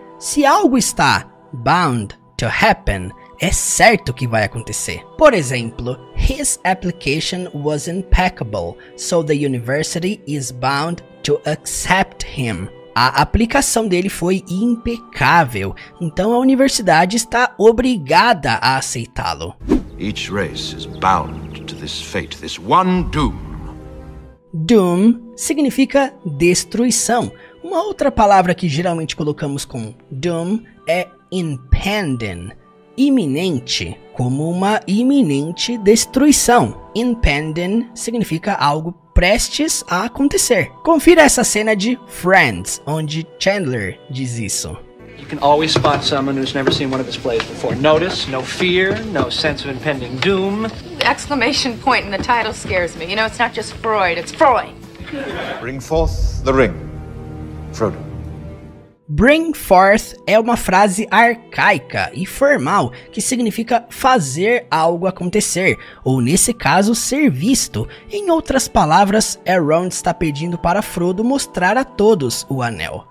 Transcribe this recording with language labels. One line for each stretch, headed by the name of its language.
Portuguese: Se algo está
English: bound to happen,
Portuguese: é certo que vai acontecer. Por exemplo,
English: his application was impeccable, so the university is bound to accept him.
Portuguese: A aplicação dele foi impecável, então a universidade está obrigada a aceitá-lo.
English: Each race is bound to this fate, this one doom.
Portuguese: Doom significa destruição. Uma outra palavra que geralmente colocamos com doom é impending, iminente, como uma iminente destruição. Impending significa algo prestes a acontecer. Confira essa cena de Friends, onde Chandler diz isso.
English: You can always spot someone who's never seen one of his plays before. Notice, no fear, no sense of impending doom. The exclamation point in the title scares me. You know, it's not just Freud, it's Freud. Bring forth the ring, Frodo.
Portuguese: Bring forth é uma frase arcaica e formal que significa fazer algo acontecer, ou nesse caso, ser visto. Em outras palavras, Elrond está pedindo para Frodo mostrar a todos o anel.